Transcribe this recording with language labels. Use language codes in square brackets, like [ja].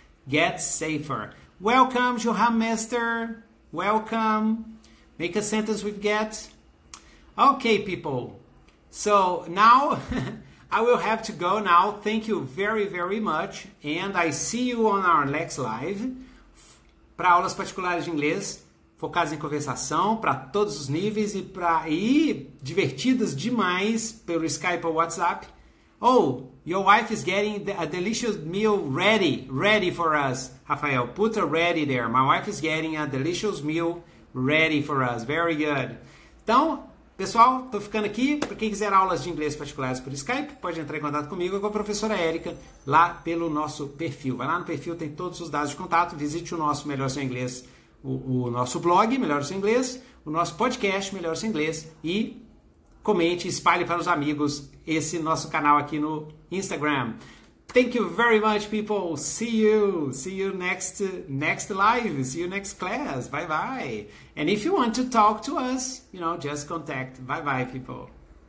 [en] Get safer. Welcome, Johan Mester. Welcome. Make a sentence with get. Okay, people. So now I will have to go now. Thank you very, very much. And I see you on our next live. [pt] Para aulas particulares de inglês. Focados em conversação para todos os níveis e para divertidas demais pelo Skype ou WhatsApp. [en] Oh, your wife is getting a delicious meal ready for us. Rafael, put a ready there. My wife is getting a delicious meal ready for us. Very good. [pt] Então, pessoal, estou ficando aqui. Para quem quiser aulas de inglês particulares por Skype, pode entrar em contato comigo ou com a professora Érica lá pelo nosso perfil. Vai lá no perfil, tem todos os dados de contato. Visite o nosso Melhor Seu Inglês. O nosso blog, Melhor Seu Inglês, o nosso podcast, Melhor Seu Inglês, e comente, espalhe para os amigos esse nosso canal aqui no Instagram. [en] Thank you very much, people. See you next live. See you next class. Bye-bye. And if you want to talk to us, you know, just contact. Bye-bye, people.